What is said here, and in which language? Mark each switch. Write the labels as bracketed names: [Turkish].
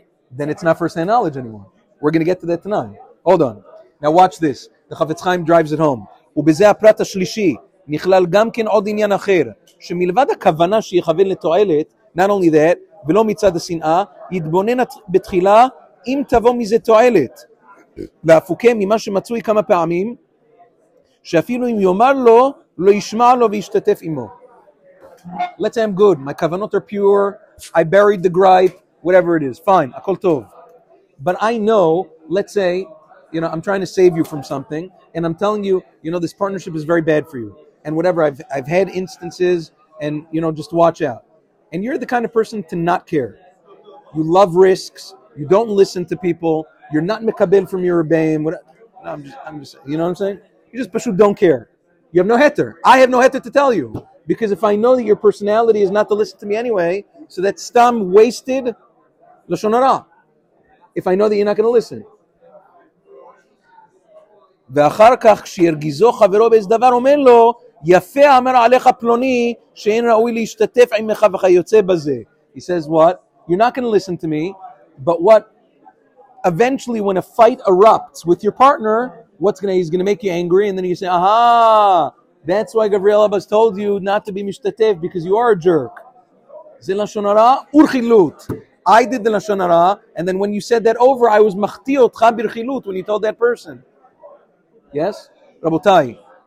[English] Then it's not first-hand knowledge anymore. We're going to get to that tonight. Hold on. Now watch this. The Chafetz Chaim drives it home. [Hebrew] ובזה הפרט השלישי נכלל גם כן עוד עניין אחר שמלבד הכוונה שיכוון לתועלת, [English] not only that, [Hebrew] ולא מצד השנאה, יתבונן בתחילה אם תבוא מזה תועלת. והפוקה ממה שמצוי כמה פעמים, שאפילו אם יאמר לו, לא ישמע לו וישתתף עמו. [English] Let's say I'm good. My kavanot are pure. I buried the gripe. Whatever it is. Fine. [Hebrew] Hakol tov. [English] But I know, let's say, you know, I'm trying to save you from something, and I'm telling you, you know, this partnership is very bad for you. And whatever, I've had instances, and, you know, just watch out. And you're the kind of person to not care. You love risks. You don't listen to people. You're not mekabel from your rebbeim. I'm just, you know what I'm saying? You just pashut don't care. You have no heter. I have no heter to tell you. Because if I know that your personality is not to listen to me anyway, so that's stam wasted lashon hara. If I know that you're not going to listen. [Hebrew] V'achar kach shirgizo chavero bez davar omen lo, יפה אמר עליך פלוני שאין ראוי להשתתף עמך וכיוצא בזה. [English] He says, what? You're not going to listen to me, but what? Eventually, when a fight erupts with your partner, he's going to make you angry, and then you say, aha, that's why Gabriel Abbas told you not to be משתתף, because you are a jerk. [Hebrew] זה לשון הרע ורחילות. [English] I did the לשון הרע, and then when you said that over, I was [Hebrew] מחתי אותך ברחילות, [English] when you told that person. Yes? רבותיי.